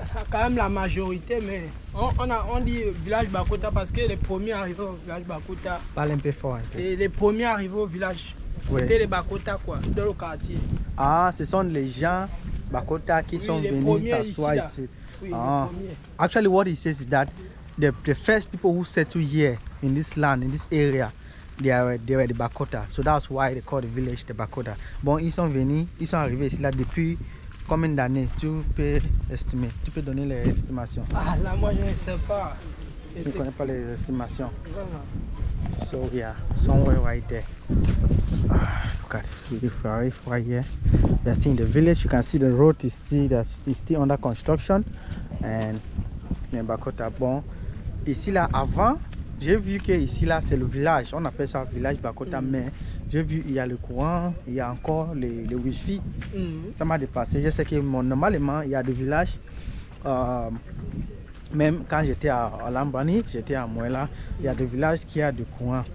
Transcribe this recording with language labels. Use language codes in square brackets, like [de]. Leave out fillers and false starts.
[fr] Quand même la majorité, mais on dit village Bakota parce que les premiers arrivés au village Bakota. Parle un peu fort. Un peu. Et les premiers arrivés au village, c'était les Bakota, quoi, dans le quartier. Ah, ce sont les gens Bakota qui sont venus t'asseoir ici. Oui, les premiers. [en] Actually, what he says is that the first people who settled here in this land, in this area, they were the Bakota. So that's why they call the village the Bakota. [fr] Bon, ils sont venus, ils sont arrivés ici là depuis. Combien d'années tu peux estimer? Tu peux donner les estimations? Ah là, moi je ne sais pas. Tu ne connais pas les estimations? Non. [en] So yeah, somewhere right there. Ah, look at it. We are right here. We are still in the village. You can see the road is still under construction. And in Bakota, bon. [fr] Ici là, avant, j'ai vu que ici là, c'est le village. On appelle ça village Bakota, mais j'ai vu, il y a le courant, il y a encore le wifi. Ça m'a dépassé. Je sais que normalement, il y a des villages. Même quand j'étais à Lambani, j'étais à Mouela, il y a des villages qui ont du courant.